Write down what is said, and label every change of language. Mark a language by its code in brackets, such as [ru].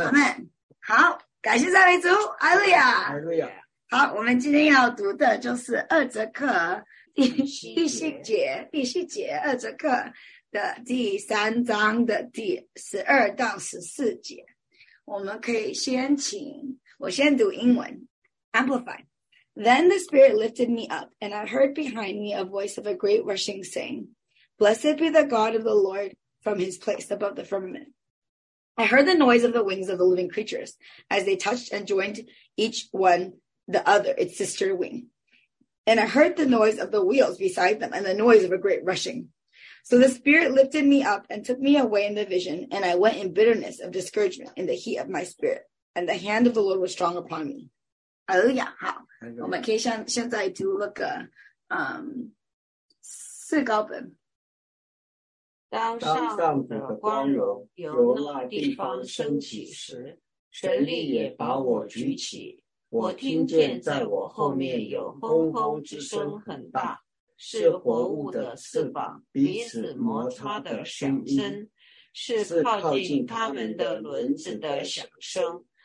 [zh] 阿门。好，感谢赞美主，阿利亚。阿利亚。好，我们今天要读的就是二则课第七节二则课的第三章的第12到14节。我们可以先请我先读英文，Amplify。 [en] Then the Spirit lifted me up, and I heard behind me a voice of a great rushing, saying, "Blessed be the God of the Lord from His place above the firmament." I heard the noise of the wings of the living creatures as they touched and joined each one the other, its sister wing. And I heard the noise of the wheels beside them and the noise of a great rushing. So the Spirit lifted me up and took me away in the vision, and I went in bitterness of discouragement in the heat of my spirit, and the hand of the Lord was strong upon me. [zh] 哎呀，好，我们可以现在读那个，四高本。当上的光荣由那地方升起时，神力也把我举起。我听见在我后面有轰轰之声很大，是活物的翅膀彼此摩擦的响声，是靠近他们的轮子的响声。